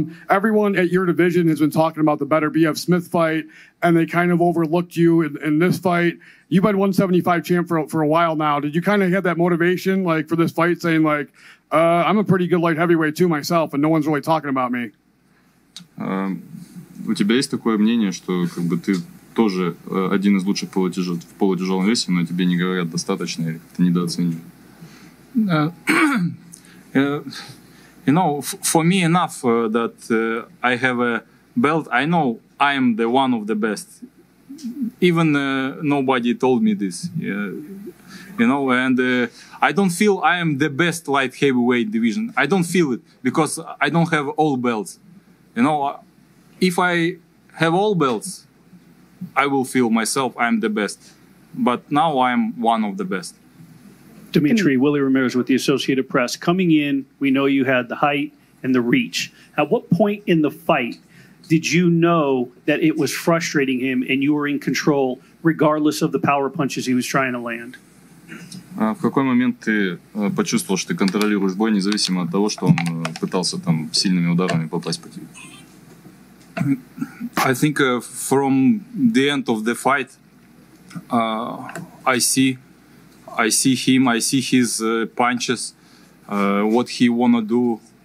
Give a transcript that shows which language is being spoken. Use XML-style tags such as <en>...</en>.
<en>Everyone at your division has been talking about the better BF Smith fight, and they kind of overlooked you in this fight. You've been 175 champ for a while now. Did you kind of have that motivation, like, for this fight, saying, like, I'm a pretty good light heavyweight too myself, and no one's really talking about me?</en> <ru>У тебя есть такое мнение, что как бы ты тоже один из лучших в полутяжелом весе, но тебе не говорят достаточно, или ты недооцениваешь?</ru> <en>You know, for me enough that I have a belt, I know I am the one of the best. Even nobody told me this. you know, and I don't feel I am the best light heavyweight division. I don't feel it because I don't have all belts. You know, if I have all belts, I will feel myself I'm the best. But now I'm one of the best. Dmitry, Willie Ramirez with the Associated Press. Coming in, we know you had the height and the reach. At what point in the fight did you know that it was frustrating him and you were in control regardless of the power punches he was trying to land?</en> <ru>В какой момент ты почувствовал, что ты контролируешь бой, независимо от того, что он пытался там сильными ударами попасть по тебе?</ru> <en>I think from the end of the fight, I see him, I see his punches, what he wanna do.</en>